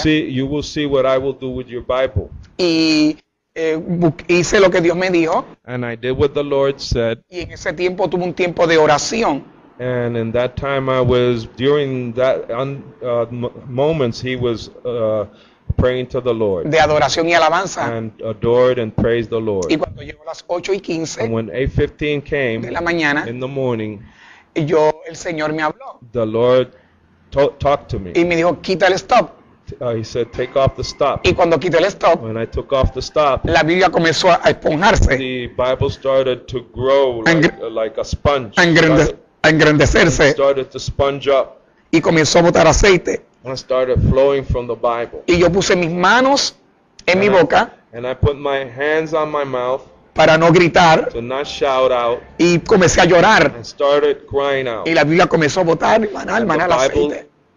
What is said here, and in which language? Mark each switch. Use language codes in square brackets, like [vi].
[en] see, you will see what I will do with your Bible, [es] y hice lo que Dios me dijo. [en] And I did what the Lord said. [es] Y en ese tiempo tuve un tiempo de oración. [en] And in that time I was during that moments he was praying to the Lord. [es] De adoración y alabanza. [en] And adored and praised the Lord. [es] Y cuando llegó las 8:15. [en] And when 8:15 came. [es] De la mañana. [en] In the morning. [es] Yo el Señor me habló. [en] The Lord talked to me. [es] Y me dijo quita el stop. [en] He said, "Take off the stop." [es] Y cuando quité el stop, [en] when I took off the stop, [es] la Biblia comenzó a esponjarse. [en] The Bible started to grow like a sponge. [es] A engrandecerse. [en] It started to sponge up. [es] Y comenzó a botar aceite. [en] And started flowing from the Bible. [es] Y yo puse mis manos en mi boca. [en] And I put my hands on my mouth. [es] Para no gritar. [en] To not shout out. [es] Y comencé a llorar. [en] And started crying out. [es] Y la Biblia comenzó a botar manal aceite.